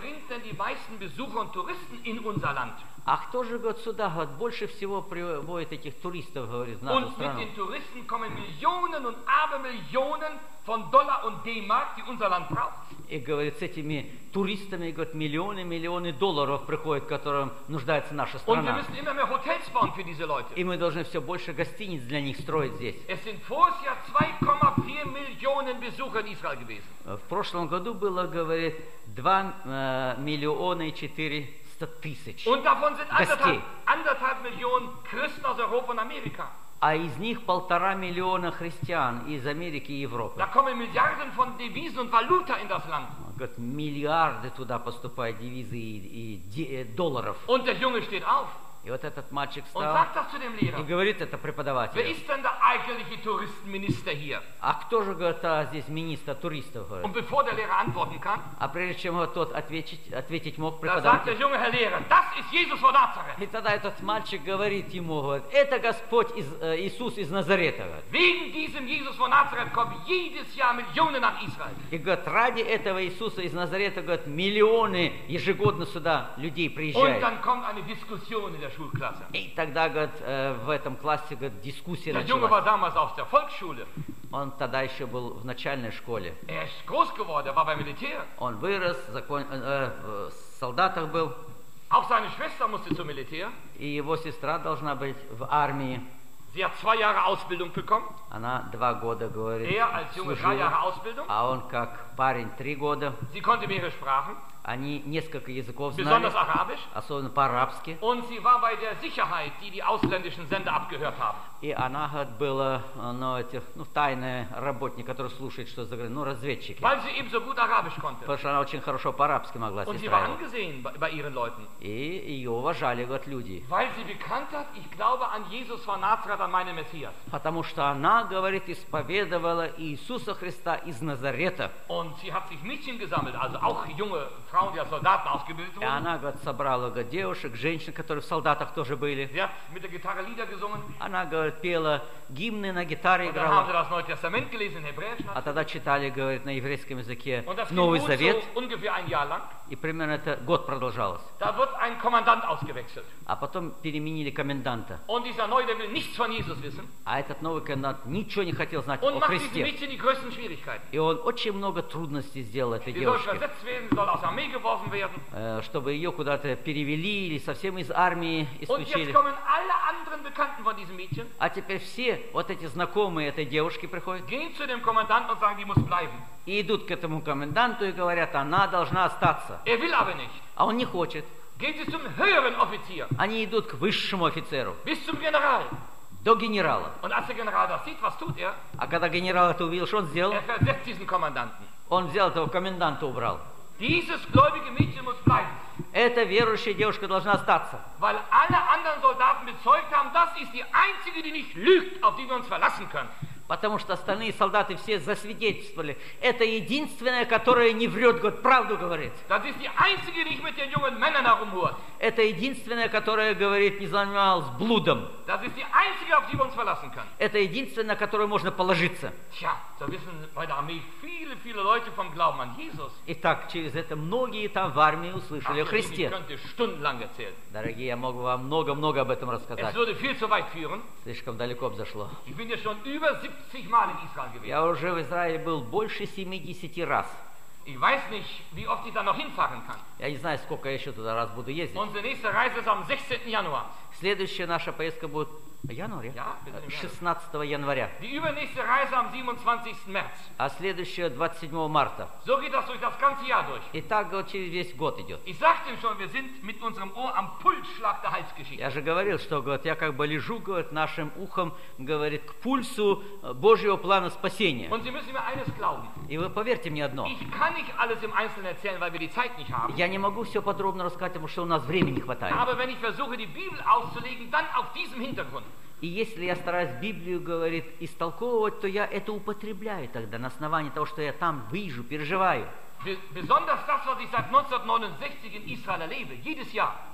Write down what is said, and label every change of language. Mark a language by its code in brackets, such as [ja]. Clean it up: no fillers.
[de] denn die meisten Besucher und Touristen in unser Land? [ru] А кто же вот сюда вот больше всего приводит этих туристов, говорит, в нашу [de] und [ru] страну? [de] Und mit den Touristen kommen Millionen und Abermillionen von Dollar und D-Mark, die unser Land braucht. [ru] И говорит, с этими туристами, говорит, миллионы, миллионы долларов приходят, которым нуждается наша страна. [de] Und wir müssen immer mehr Hotels bauen für diese Leute. [ru] И мы должны все больше гостиниц для них строить здесь. [de] Es sind vorher 2,4 Millionen Besucher in Israel gewesen. [ru] В прошлом году было, говорит, 2,4 миллиона. [de] Und davon sind 1,5 Millionen Christen aus Europa und Amerika. [ru] А из них 1,5 миллиона христиан из Америки и Европы. [de] Da kommen Milliarden von Devisen und Valuta in das Land. [ru] Говорит, миллиарды туда поступают девизы и долларов. [de] Und der Junge steht auf. [ru] И вот этот мальчик встал [de] und sagt das zu dem Lehrer. [ru] И говорит это преподавателю. [de] Wer ist denn der eigentliche Touristenminister hier? [ru] А кто же, говорит, здесь министр туристов? Говорит. [de] Und bevor der Lehrer antworten kann, [ru] а прежде чем вот тот ответить мог преподавателю, [de] sagt der junge Herr Lehrer, das ist Jesus von Nazareth. [ru] И тогда этот мальчик говорит ему, говорит, это Господь Иисус из Назарета. [de] Wegen diesem Jesus von Nazareth kommen jedes Jahr Millionen nach Israel. [ru] И говорит, ради этого Иисуса из Назарета, говорит, миллионы ежегодно сюда людей приезжают. [de] Und dann kommt eine Diskussion. [ru] И тогда, говорит, в этом классе, говорит, дискуссия началась. [de] Der Junge war damals auf der Volksschule. [ru] Он тогда еще был в начальной школе. [de] Er ist groß geworden, war beim Militär. [ru] Он вырос, в солдатах был. [de] Auch seine Schwester musste zum Militär. [ru] И его сестра должна быть в армии. [de] Sie hat 2 Jahre Ausbildung bekommen. [ru] Она 2 года, говорит, [de] er als Junge 3 Jahre Ausbildung. [ru] А он как парень 3 года. [de] Sie konnte mehrere Sprachen. [ru] Они несколько языков [de] besonders [ru] знали, [de] Arabisch. [ru] Особенно по-арабски. [de] Und sie war bei der Sicherheit, die ausländischen Sender abgehört haben. [ru] И она была, тайная работник, который слушает, что за границей, разведчики. [de] Weil sie eben so gut Arabisch konnte. [ru] Потому что она очень хорошо по-арабски могла сестра. [de] Und sie war angesehen bei ihren Leuten. [ru] И ее уважали, говорит, люди. [de] Weil sie bekannt hat, ich glaube an Jesus von Nazareth, an meinen Messias. [ru] Потому что она, говорит, исповедовала Иисуса Христа из Назарета. [de] Und sie hat sich Mädchen gesammelt, also auch junge Frauen, die als Soldaten ausgebildet wurden. [ru] И она, говорит, собрала, говорит, девушек, женщин, которые в солдатах тоже были. [de] Sie hat mit der Gitarre Lieder gesungen. [ru] Она, говорит, пела гимны на гитаре, [de] und [ru] играла. [de] Und haben das Neue Testament gelesen, Hebräisch. [ru] А тогда читали, говорит, на еврейском языке Новый Завет. [de] So ungefähr ein Jahr lang. [ru] И примерно это год продолжалось. [de] Da wird ein Kommandant ausgewechselt. [ru] А потом переменили коменданта. [de] Und dieser Neue will nichts von Jesus wissen. [ru] А этот новый коммендант ничего не хотел знать [de] und [ru] о Христе. [de] Und macht diesen Mädchen die größten Schwierigkeiten. [ru] И он очень много трудностей сделал этой [de] die [ru] девушке. [de] Soll versetzt werden, soll aus Armee geworfen werden. [ru] Чтобы ее куда-то перевели или совсем из армии исключили. [de] Und jetzt kommen alle anderen Bekannten von diesem Mädchen. [ru] А теперь все вот эти знакомые этой девушки приходят. [de] Gehen zu dem Kommandanten und sagen, die muss bleiben. [ru] И идут к этому коменданту и говорят, она должна остаться. [de] Er will aber nicht. [ru] А он не хочет. [de] Gehen sie zum höheren Offizier. [ru] Они идут к высшему офицеру. [de] Bis zum General. [ru] До генерала. [de] Und als der General das sieht, was tut er? [ru] А когда генерал это увидел, что он сделал? [de] Er versetzt diesen Kommandanten. [ru] Он взял этого коменданта, убрал. [de] Dieses gläubige Mädchen muss bleiben. [ru] Эта верующая девушка должна остаться. [de] Weil alle anderen Soldaten bezeugt haben, das ist die einzige, die nicht lügt, auf die wir uns verlassen können. [ru] Потому что остальные солдаты все засвидетельствовали. Это единственная, которая не врет, говорит, правду говорит. [de] Das ist die einzige, die mit den jungen Männern herumhurt. [ru] Это единственная, которая, говорит, не занималась блудом. [de] Das ist die einzige, auf die wir uns verlassen können. [ru] Это единственная, на которую можно положиться. [de] Tja, so wissen bei der Armee viele, viele Leute vom Glauben an Jesus. [ru] Итак, через это многие там в армии услышали [de] Ach, [ru] о Христе. [de] Ich könnte stundenlang erzählen. [ru] Дорогие, я могу вам много-много об этом рассказать. [de] Es würde viel zu weit führen. [ru] Слишком далеко бы зашло. [de] Ich bin ja schon über 70 Mal in Israel gewesen. [ru] Я уже в Израиле был больше 70 раз. [de] Ich weiß nicht, wie oft ich da noch hinfahren kann. [ru] Я не знаю, сколько я еще туда раз буду ездить. [de] Unsere nächste Reise ist am 16. Januar. [ru] Следующая наша поездка будет в январе, 16 января. [de] Die übernächste Reise am 27. März. [ru] А следующая 27 марта. [de] So geht das durch das ganze Jahr durch. [ru] И так вот через весь год идет. [de] Ich sagte ihm schon, wir sind mit unserem Ohr am Pulsschlag der Heilsgeschichte. [ru] Я же говорил, что говорит, я как бы лежу, говорит, нашим ухом, говорит, к пульсу Божьего плана спасения. [de] Und Sie müssen mir eines glauben. [ru] И вы поверьте мне одно. [de] Ich kann nicht alles im Einzelnen erzählen, weil wir die Zeit nicht haben. [ru] Я не могу все подробно рассказать, потому что у нас времени не хватает. [de] Aber wenn ich versuche, die Bibel auszulegen, dann auf diesem Hintergrund. [ru] И если я стараюсь Библию, говорит, истолковывать, то я это употребляю тогда на основании того, что я там вижу, переживаю. [de] Besonders das, was ich seit 1969 in Israel erlebe, jedes Jahr.